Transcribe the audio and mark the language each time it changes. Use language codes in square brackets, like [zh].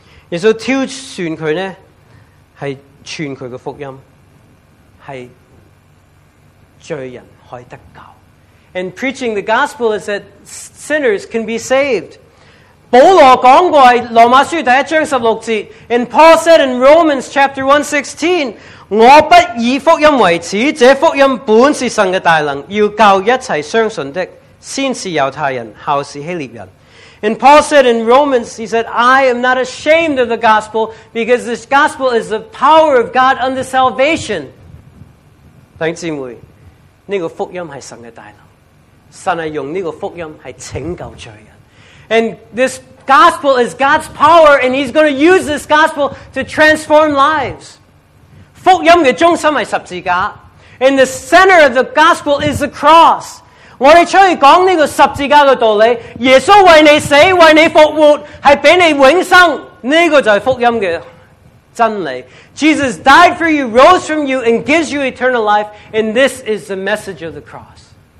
[zh] 耶稣挑选他呢是传他的福音。是罪人可以得救 [en] and preaching the gospel is that sinners can be saved. [zh] 保罗讲过在罗马书第一章十六节 [en] and Paul said in Romans chapter 1:16, [zh] 我不以福音为耻，这福音本是神的大能，要救一切相信的，先是犹太人，后是希腊人。 [en] And Paul said in Romans, he said, I am not ashamed of the gospel because this gospel is the power of God unto salvation. [zh] 弟兄姊妹，这个福音是神的大能，神是用这个福音是拯救罪人。 [en] And this gospel is God's power, and he's going to use this gospel to transform lives. [zh] 福音的中心是十字架， [en] and the center of the gospel is the cross. [zh] 我们出去讲这个十字架的道理，耶稣为你死，为你复活，是给你永生，这个就是福音的真理。 [en] Jesus died for you, rose from you, and gives you eternal life, and this is the message of the cross.